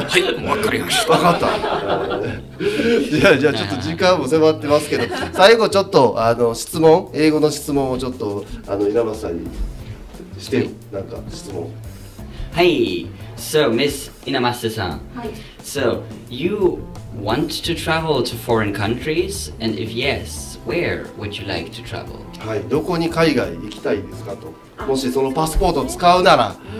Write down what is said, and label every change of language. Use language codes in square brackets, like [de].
[ja] はい、分かりました。分かった。じゃあ、ちょっと時間も迫ってますけど、最後ちょっと、あの、質問、英語の質問をちょっと、あの、稲葉さんにして、はい、なんか質問。 [en] はい、So, Miss 稲葉さん。 [ja] はい。 [en] So, you want to travel to foreign countries? And if yes, where would you like to travel? [ja] はい、どこに海外行きたいですかと。もしそのパスポートを使うなら、